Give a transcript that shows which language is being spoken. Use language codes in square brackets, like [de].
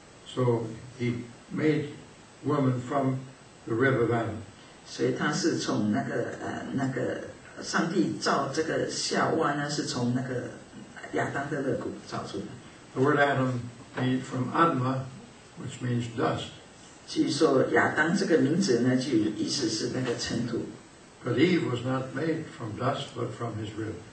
[en] So he made woman from the rib of Adam. [zh] 所以他是从那个上帝造这个夏娃呢，是从那个亚当的肋骨造出的。 [en] The word Adam made from Adma, which means dust. [zh] 据说亚当这个名字呢，就意思是那个尘土。 [en] But Eve was not made from dust, but from his rib.